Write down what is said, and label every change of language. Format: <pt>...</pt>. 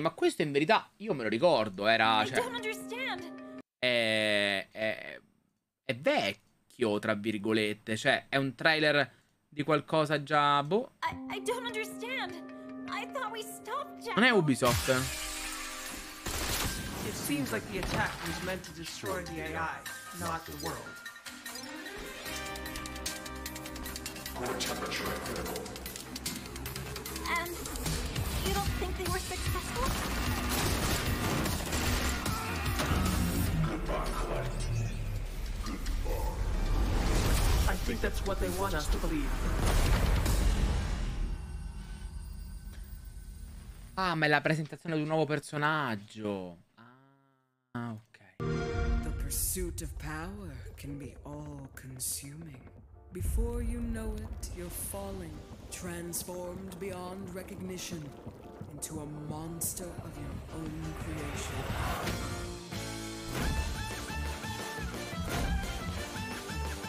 <it>Ma questo in verità io me lo ricordo. Era. Cioè, è vecchio, tra virgolette. Cioè, è un trailer di qualcosa già. Boh.</it> <en>I don't understand. I thought we stopped, Jack.</en> <it>Non è Ubisoft?</it> <en>It seems like the attack was meant to destroy the AI, not the world. Core temperature critical. And you don't think they were successful? Goodbye, Clyde. Goodbye. I think that's what they want us to believe.</en> <it>Ah, ma è la presentazione di un nuovo personaggio. Ah, ok.</it> <en>The pursuit of power can be all consuming. Before you know it, you're falling, transformed beyond recognition into a monster of your own creation.</en>